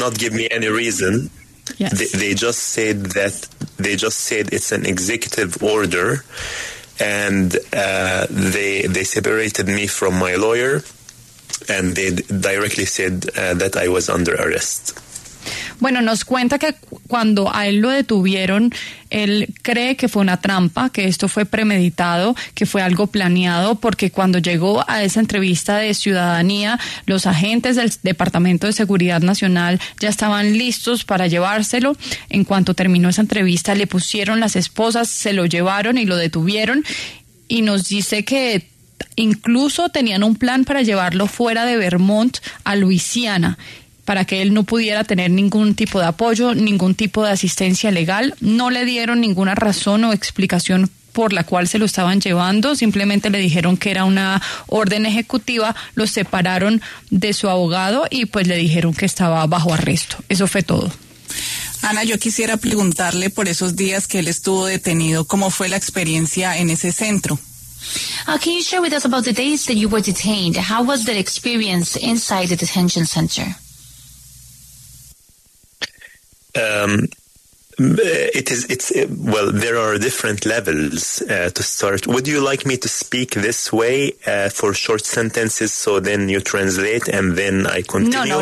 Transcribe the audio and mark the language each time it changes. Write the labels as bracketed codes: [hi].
[en] not give me any reason. Yes. They just said it's an executive order, and they separated me from my lawyer. And they directly said that I was under arrest. [es] Bueno, nos cuenta que cuando a él lo detuvieron, él cree que fue una trampa, que esto fue premeditado, que fue algo planeado, porque cuando llegó a esa entrevista de ciudadanía, los agentes del Departamento de Seguridad Nacional ya estaban listos para llevárselo. En cuanto terminó esa entrevista, le pusieron las esposas, se lo llevaron y lo detuvieron. Y nos dice que incluso tenían un plan para llevarlo fuera de Vermont a Luisiana para que él no pudiera tener ningún tipo de apoyo, ningún tipo de asistencia legal. No le dieron ninguna razón o explicación por la cual se lo estaban llevando, simplemente le dijeron que era una orden ejecutiva, lo separaron de su abogado y pues le dijeron que estaba bajo arresto. Eso fue todo. Ana, yo quisiera preguntarle por esos días que él estuvo detenido, ¿cómo fue la experiencia en ese centro? [en] Can you share with us about the days that you were detained? How was the experience inside the detention center? There are different levels to start. Would you like me to speak this way for short sentences so then you translate and then I continue?